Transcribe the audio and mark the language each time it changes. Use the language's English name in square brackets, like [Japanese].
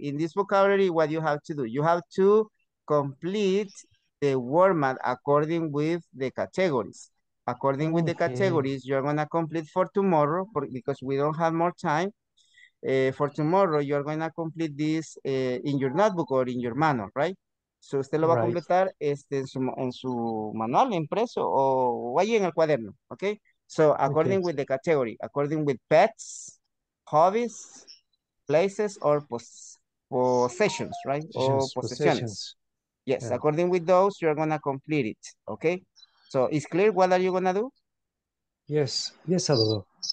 [English] In this vocabulary, what you have to do? You have to complete the warm-up according with the categories. According with the categories, you're going to complete for tomorrow because we don't have more time. For tomorrow, you're going to complete this in your notebook or in your manual, right? [Spanish] So, usted lo va a completar en su manual impreso o ahí en el cuaderno, okay? [English] So, according with the category, according with pets, hobbies, places, or possessions, right? Possessions. Yes, according with those, you're going to complete it, okay? So it's clear, what are you gonna do? Yes, yes, Salvador.